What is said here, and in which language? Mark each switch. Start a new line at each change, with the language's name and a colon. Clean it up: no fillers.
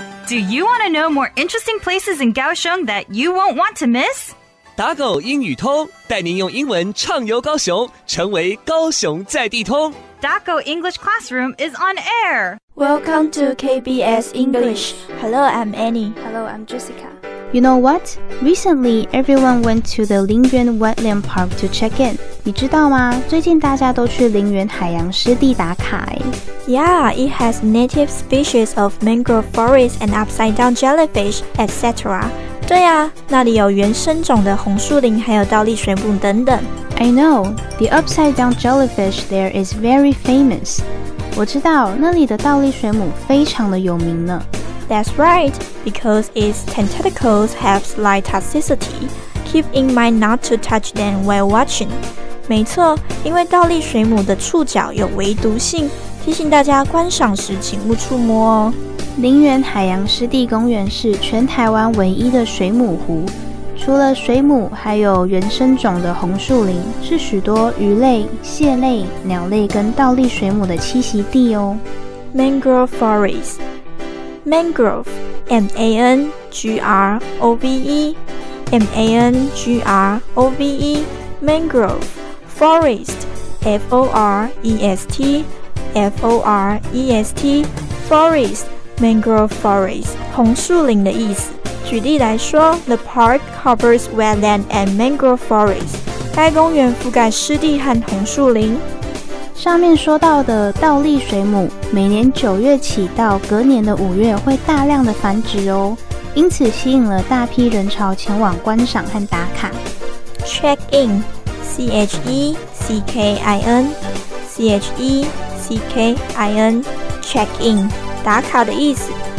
English: Do you want to know more interesting places in Kaohsiung that you won't want to miss?
Chinese: 打狗英语通，带您用英文畅游高雄，成为高雄在地通。
English: Daco English Classroom is on air. Welcome to KBS English. Hello, I'm Annie. Hello, I'm Jessica. You know what? Recently, everyone went to the Linyuan Wetland Park to check in.
Chinese: 你知道吗？最近大家都去林园海洋湿地打卡耶。
English: Yeah, it has native species of mangrove forest and upside-down jellyfish, etc.
Chinese: 对啊，那里有原生种的红树林还有倒立水母等等。
English: I know, the upside-down jellyfish there is very famous.
Chinese: 我知道那里的倒立水母非常的有名呢。
English: That's right, because its tentacles have slight toxicity. Keep in mind not to touch them while watching.
Chinese: 没错，因为倒立水母的触角有微毒性，提醒大家观赏时请勿触摸哦。林园海洋湿地公园是全台湾唯一的水母湖，除了水母，还有原生种的红树林，是许多鱼类、蟹类、鸟类跟倒立水母的栖息地哦。
English: Mangrove forest, mangrove, M-A-N-G-R-O-V-E, M-A-N-G-R-O-V-E, mangrove, forest, F-O-R-E-S-T, F-O-R-E-S-T, forest, mangrove forest,
Chinese: 红树林的意思。举例来说
English: ，The park covers wetland and mangrove forest.
Chinese: 该公园覆盖湿地和红树林。上面说到的倒立水母，每年九月起到隔年的五月会大量的繁殖哦，因此吸引了大批人潮前往观赏和打卡。
English: Check in, C H E C K I N, C H E C K I N, check in,
Chinese: 打卡的意思。